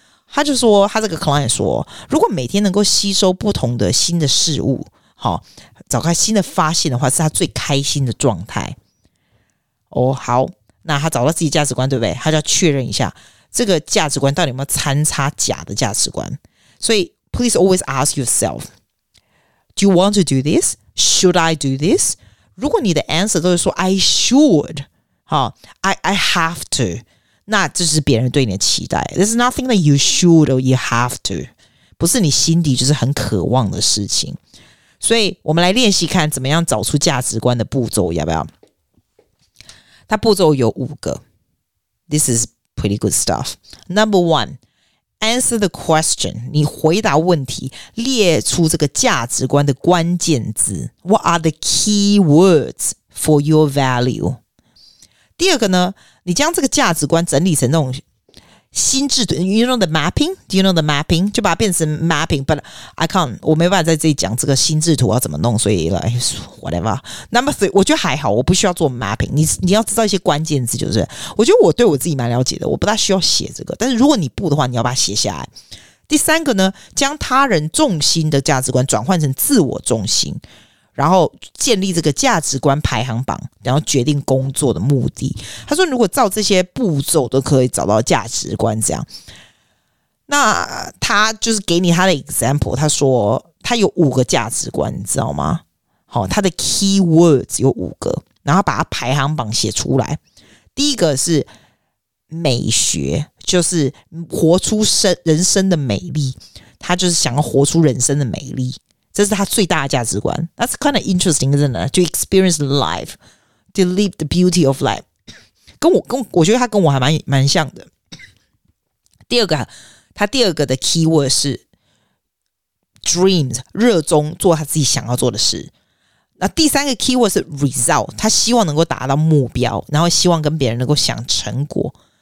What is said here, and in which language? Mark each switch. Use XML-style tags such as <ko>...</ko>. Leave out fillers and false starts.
<zh>他就说，他这个 client 说，如果每天能够吸收不同的新的事物，好，找到新的发现的话，是他最开心的状态。哦，好，那他找到自己价值观，对不对？他就要确认一下这个价值观到底有没有参差假的价值观。所以</zh> <en>please always ask yourself, do you want to do this? Should I do this?</en> <zh>如果你的 answer 都是说</zh> <en>I should,</en> <zh>好</zh> <en>I have to,</en> <zh>那这是别人对你的期待。</zh> <en>There's nothing that you should or you have to,</en> <zh>不是你心底就是很渴望的事情。所以我们来练习看怎么样找出价值观的步骤，要不要？它步骤有五个。</zh> <en>This is pretty good stuff. Number one, answer the question.</en> <zh>你回答问题，列出这个价值观的关键字。</zh> <en>What are the key words for your value?</en> <zh>第二个呢，你将这个价值观整理成那种心智图 ，</zh> <en>you know the mapping, do you know the mapping?</en> <zh>就把它变成 mapping,</zh> <en>but I can't,</en> <zh>我没办法在这里讲这个心智图要怎么弄，所以</zh> <en>like whatever. Number three,</en> <zh>我觉得还好，我不需要做 mapping. 你要知道一些关键字，就是我觉得我对我自己蛮了解的，我不大需要写这个。但是如果你不的话，你要把它写下来。第三个呢，将他人重心的价值观转换成自我重心。然后建立这个价值观排行榜，然后决定工作的目的。他说如果照这些步骤都可以找到价值观这样。那他就是给你他的 example, 他说他有五个价值观，你知道吗？好，他的 keywords 有五个，然后把他排行榜写出来。第一个是美学，就是活出人生的美丽，他就是想要活出人生的美丽。这是他最大的价值观。</zh> <en>That's kind of interesting, isn't it? To experience life, to live the beauty of life.</en> <zh>我觉得他跟我还蛮像的。第二个，他第二个的 keyword 是 dreams, 热衷做他自己想要做的事。那第三个 keyword 是 result, 他希望能够达到目标，然后希望跟别人能够享成果。</zh>